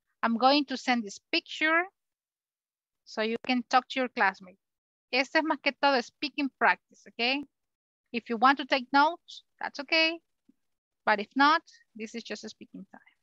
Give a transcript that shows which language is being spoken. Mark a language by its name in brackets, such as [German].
[English] I'm going to send this picture so you can talk to your classmates. [Spanish] Este es más que todo [English] speaking practice, [Spanish] okay? [English] If you want to take notes, that's okay. But if not, this is just a speaking time.